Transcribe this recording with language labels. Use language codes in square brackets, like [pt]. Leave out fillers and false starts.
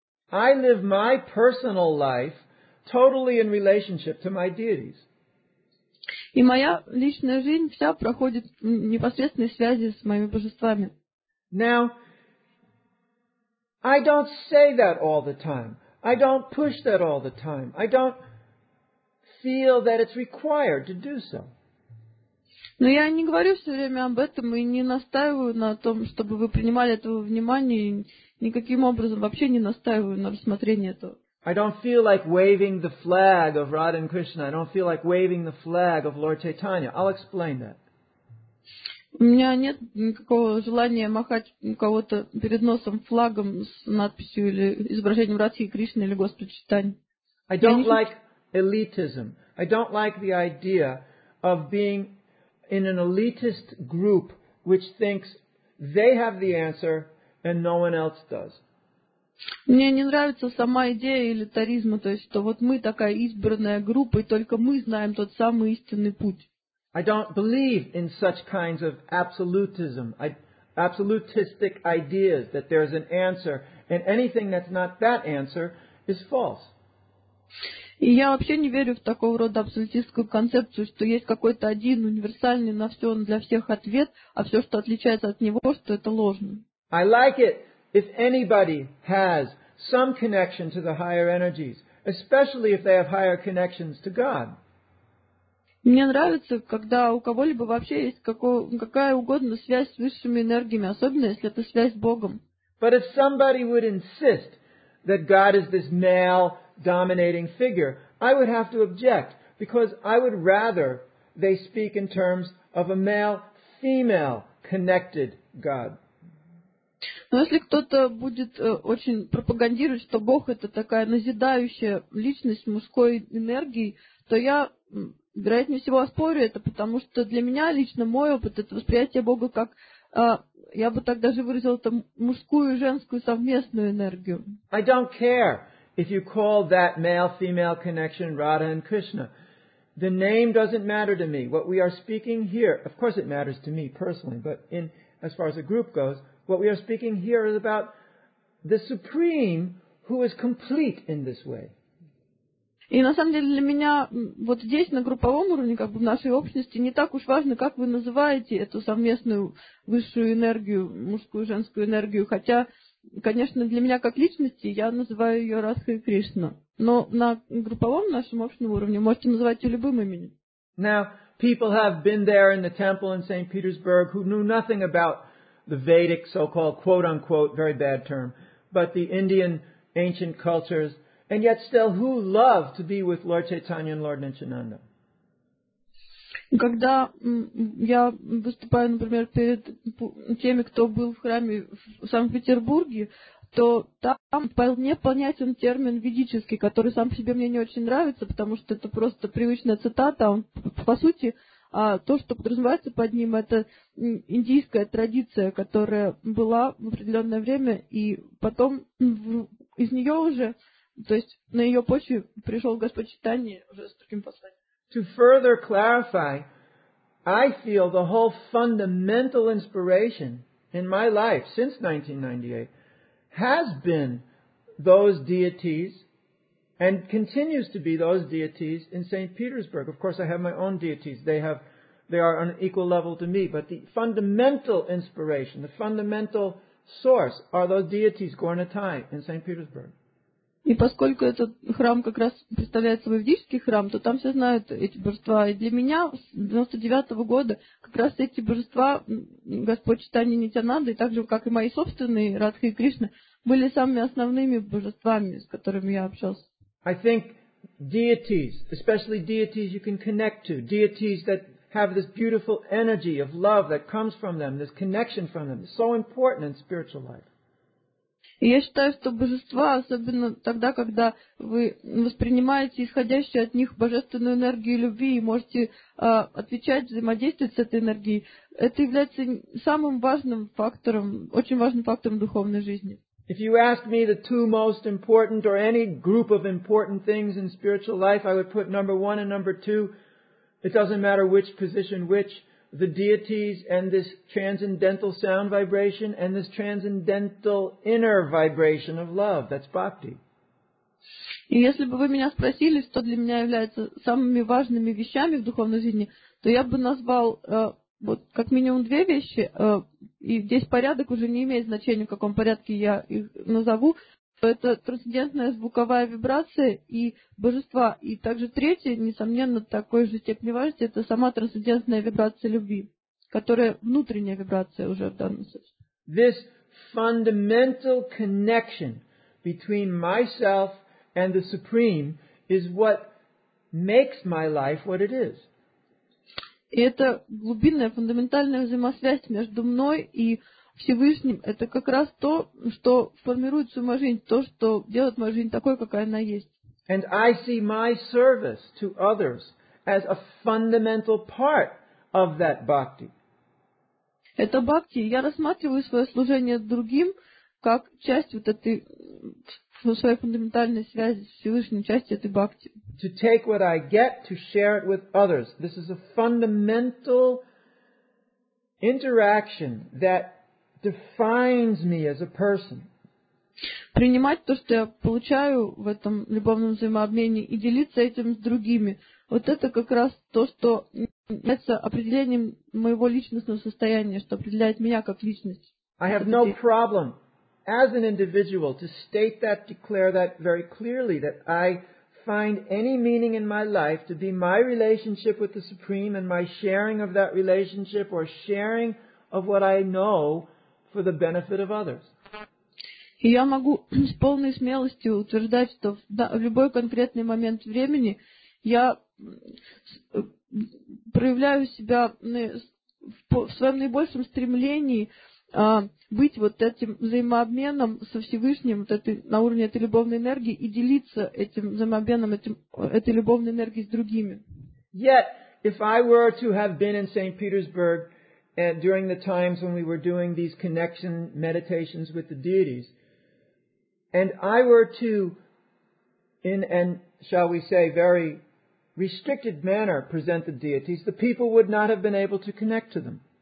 [en] I live my personal life totally in relationship to my deities. [ru] И моя личная жизнь вся проходит в непосредственной связи с моими божествами. [en] Now, I don't say that all the time. I don't push that all the time. I don't feel that it's required to do so. [ru] Но я не говорю все время об этом и не настаиваю на том, чтобы вы принимали этого внимания, никаким образом вообще не настаиваю на рассмотрении этого. [en] I don't feel like waving the flag of Radha and Krishna. I don't feel like waving the flag of Lord Chaitanya. I'll explain that. [ru] У меня нет никакого желания махать кого-то перед носом флагом с надписью или изображением Радхи Кришны или Господа Чайтаньи. [en] I don't like elitism. I don't like the idea of being in an elitist group which thinks they have the answer and no one else does. [ru] Мне не нравится сама идея элитаризма, то есть, что вот мы такая избранная группа, и только мы знаем тот самый истинный путь. [en] I don't believe in such kinds of absolutism, absolutistic ideas that there is an answer, and anything that's not that answer is false. [ru] И я вообще не верю в такого рода абсолютистскую концепцию, что есть какой-то один универсальный на все, для всех ответ, а все, что отличается от него, что это ложно. [en] I like it if anybody has some connection to the higher energies, especially if they have higher connections to God. [ru] Мне нравится, когда у кого-либо вообще есть какая угодно связь с высшими энергиями, особенно если это связь с Богом. [en] But if somebody would insist that God is this male dominating figure, I would have to object, because I would rather they speak in terms of a male-female connected God. [ru] Но если кто-то будет очень пропагандировать, что Бог это такая назидающая личность мужской энергии, то я, вероятнее всего, оспорю это, потому что для меня лично мой опыт, это восприятие Бога как, я бы так даже выразил это, мужскую и женскую совместную энергию. [en] I don't care if you call that male-female connection Radha and Krishna. The name doesn't matter to me. What we are speaking here, of course it matters to me personally, but in as far as the group goes, what we are speaking here is about the Supreme who is complete in this way. [ru] И на самом деле для меня вот здесь, на групповом уровне, как бы в нашей общности, не так уж важно, как вы называете эту совместную высшую энергию, мужскую и женскую энергию. Хотя, конечно, для меня как личности я называю ее Радха и Кришна. Но на групповом нашем общем уровне можете называть ее любым именем. [en] Now, people have been there in the temple in St. Petersburg who knew nothing about the Vedic so-called quote-unquote, very bad term, but the Indian ancient cultures, and yet still, who love to be with Lord Chaitanya and Lord Nityananda? [ru] Когда я выступаю, например, перед теми, кто был в храме в Санкт-Петербурге, то там вполне понятен термин ведический, который сам по себе мне не очень нравится, потому что это просто привычная цитата, он по сути, а то, что подразумевается под ним, это индийская традиция, которая была в определенное время, и потом из нее уже, то есть на ее почве пришел Господь Чайтанья уже с таким посланием. [en] To further clarify, I feel the whole fundamental inspiration in my life since 1998 has been those deities and continues to be those deities in St. Petersburg. Of course, I have my own deities. They are on an equal level to me, but the fundamental inspiration, the fundamental source are those deities, Gornatai, in St. Petersburg. [ru] И поскольку этот храм как раз представляет собой ведический храм, то там все знают эти божества. И для меня с 99 года как раз эти божества, Господь Чайтанья Нитянанда, и так же, как и мои собственные, Радха и Кришна, были самыми основными божествами, с которыми я общался. [en] I think deities, especially deities you can connect to, deities that have this beautiful energy of love that comes from them, this connection from them, so important in spiritual life. [ru] Я считаю, что божества, особенно тогда, когда вы воспринимаете исходящую от них божественную энергию любви и можете отвечать, взаимодействовать с этой энергией, это является самым важным фактором, очень важным фактором духовной жизни. [en] If you ask me the two most important or any group of important things in spiritual life, I would put number one and number two. It doesn't matter which position, which the deities and this transcendental sound vibration and this transcendental inner vibration of love. That's bhakti. [ru] И если бы вы меня спросили, что для меня является самыми важными вещами в духовной жизни, то я бы назвал вот как минимум две вещи, и здесь порядок уже не имеет значения, в каком порядке я их назову. Это трансцендентная звуковая вибрация и божества. И также третье, несомненно, такой же степени важности, это сама трансцендентная вибрация любви, которая внутренняя вибрация уже в данном случае. [en] This fundamental connection between myself and the Supreme is what makes my life what it is. [ru] И это глубинная, фундаментальная взаимосвязь между мной и Всевышним, это как раз то, что формирует всю мою жизнь, то, что делает мою жизнь такой, какая она есть. [en] And I see my service to others as a fundamental part of that bhakti. [ru] Это бхакти. Я рассматриваю свое служение другим как часть вот этой своей фундаментальной связи с Всевышним, часть этой бхакти. [en] To take what I get, to share it with others. This is a fundamental interaction that defines me as a person. [ru] Принимать то, что я получаю в этом любовном взаимообмене и делиться этим с другими. Вот это как раз то, что является определением моего личностного состояния, что определяет меня как личность. [en] I have no problem as an individual to state that, declare that very clearly, that I find any meaning in my life to be my relationship with the Supreme and my sharing of that relationship or sharing of what I know for the benefit of others. [ru] И я могу с полной смелостью утверждать, что в любой конкретный момент времени я проявляю себя в своем наибольшем стремлении быть вот этим взаимообменом со Всевышним, вот этой, на уровне этой любовной энергии, и делиться этим взаимообменом, этой любовной энергией с другими. [en] Yet, if I were to have been in St. Petersburg and during the times when we were doing these connection meditations with the deities, and I were to, in an, shall we say, very restricted manner, present the deities, the people would not have been able to connect to them.